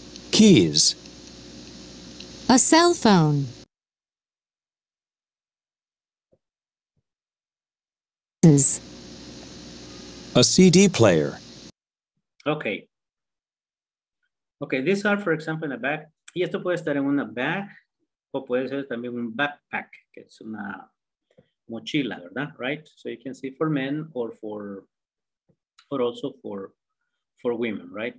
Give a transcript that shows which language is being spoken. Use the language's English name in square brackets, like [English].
[English] Keys. A cell phone. A CD player. Okay. Okay, these are, for example, in a bag. [Spanish] Y esto puede estar en una bag, o puede ser también un backpack, que es una mochila, ¿verdad? [English] Right? So you can see for men or for women, right?